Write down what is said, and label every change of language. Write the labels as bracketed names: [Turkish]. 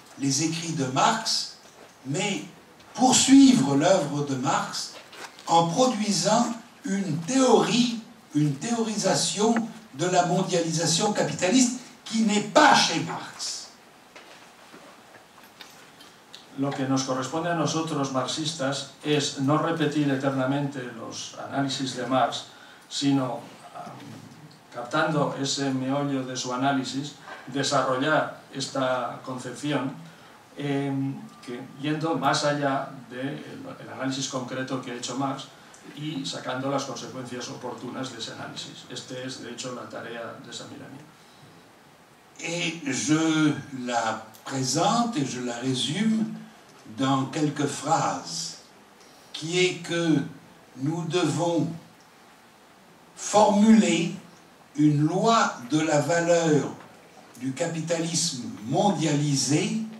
[French] les écrits de Marx, mais poursuivre l'œuvre de Marx en produisant une théorie, une théorisation de la mondialisation capitaliste qui n'est pas chez Marx. [Spanish] Lo que nos corresponde a nosotros marxistas es no repetir eternamente los análisis de Marx, sino captando ese meollo de su análisis, desarrollar esta concepción que, yendo más allá del análisis concreto que ha hecho Marx y sacando las consecuencias oportunas de ese análisis. Este es, de hecho, la tarea de Samirani. [French] Et je la présente et je la résume dans quelques phrases, qui est que nous devons formuler une loi de la valeur du capitalisme mondialisé